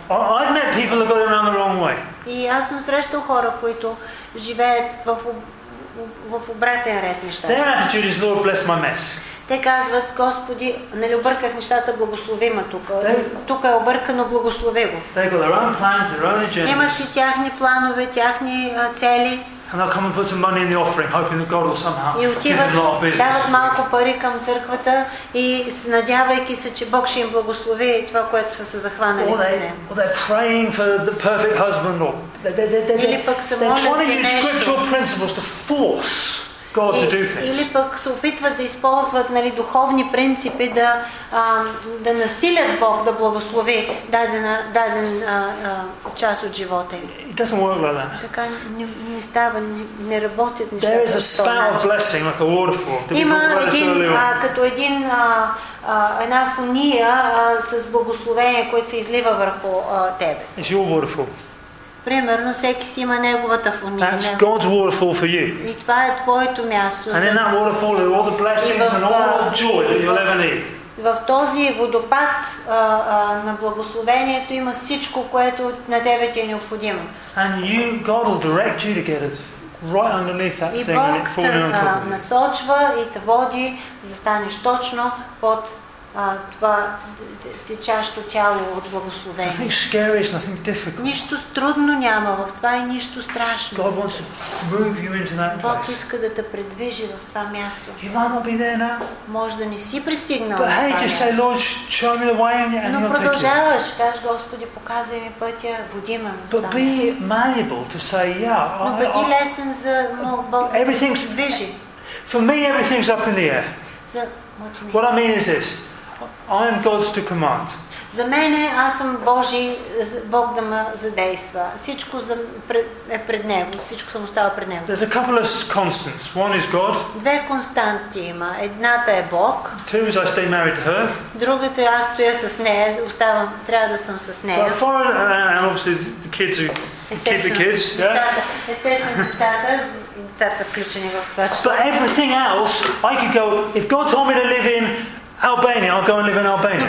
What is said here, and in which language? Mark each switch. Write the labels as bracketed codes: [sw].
[en] I've met people that got it around the wrong way. [bg] И аз съм срещал хора, които живеят в обратен ред нещата. [en] Their attitude is, Lord, bless my mess. [bg] Те казват, Господи, нали обърках нещата, благослови ме тук. Тук е объркано, благослови го. [en] They got their own plans, their own agendas. [bg] Имат си тяхни планове, тяхни цели. [en] And they'll come and put some money in the offering, hoping that God will somehow give them a lot of business. [bg] Дават малко пари към църквата и надявайки се, че Бог ще им благослови това, което са се захванали с него. [en] They're praying for the perfect husband. [bg] Или пък се молят за нещо. [en] They're trying to use principles to force God to do things. [bg] Или пък се опитват да използват, нали, духовни принципи да насилят Бог да благослови даден част от живота им. [en] It doesn't work like that. [bg] Така не става, не работят нещата. [en] There is a spout of blessing like a waterfall. [bg] Има един като един една фуния с благословение, което се излива върху тебе. [en] It's your waterfall. [bg] Примерно, всеки си има неговата фуния. [en] That's God's waterfall for you. [bg] И това е твоето място. [en] And in that waterfall are all the blessings and all the joy that you'll ever need. [bg] В този водопад на благословението има всичко, което на тебе ти е необходимо. [en] And you, God will direct you to get it right underneath that thing. [bg] И Бог те насочва и те води, застанеш точно под това течащо тяло от благословение. [en] Nothing scary, nothing difficult. [bg] Нищо трудно няма в това и нищо страшно. [en] God wants to move you into that place. [bg] Бог иска да те предвижи в това място. [en] You might not be there now. [bg] Може да не си пристигнал. [en] But hey, just say, Lord, show me the way, and [bg] но продължаваш, кажеш, Господи, показвай ми пътя, води ме. [en] But be malleable to say, yeah. [bg] Но бъди лесен за Бог. [en] Everything's [bg] движи. [en] For me, everything's up in the air. What I mean is this: I am God's to command. [bg] За мене аз съм Божий, Бог да ме задейства. Всичко е пред него, всичко съм оставил пред него. [en] There's a couple of constants. One is God. [bg] Две константи има. Едната е Бог. [en] Two is I stay married to her. [bg] Другата е аз стоя с нея, оставам, трябва да съм с нея. [en] But for and obviously the kids who keep the kids, [bg] децата са включени в това число. [en] But everything else, I could go, if God told me to live in Albania, I'll go and live in Albania.